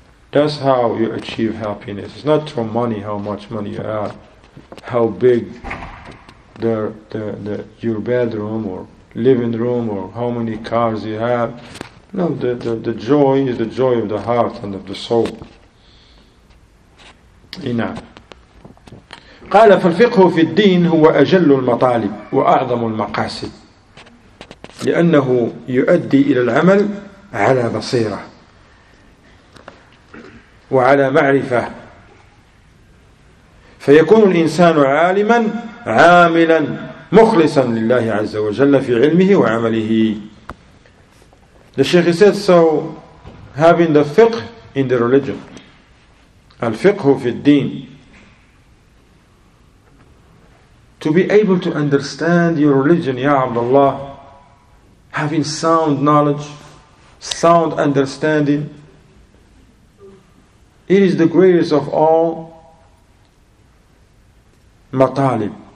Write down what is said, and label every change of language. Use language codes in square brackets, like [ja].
[en] That's how you achieve happiness. It's not through money, how much money you have, how big the your bedroom or living room or how many cars you have. No, the joy is the joy of the heart and of the soul. [ar] إنا قال فالفقه في الدين هو أجل المطالب وأعظم المقاصد لأنه يؤدي إلى العمل على بصيرة وعلى معرفة فيكون الإنسان عالما عاملا مخلصا لله عز وجل في علمه وعمله. [en] The Shaykh said, so having the fiqh in the religion, [ar] al-fiqhu fi al-deen, [en] to be able to understand your religion, Ya Abdullah, having sound knowledge, sound understanding, it is the greatest of all matalib.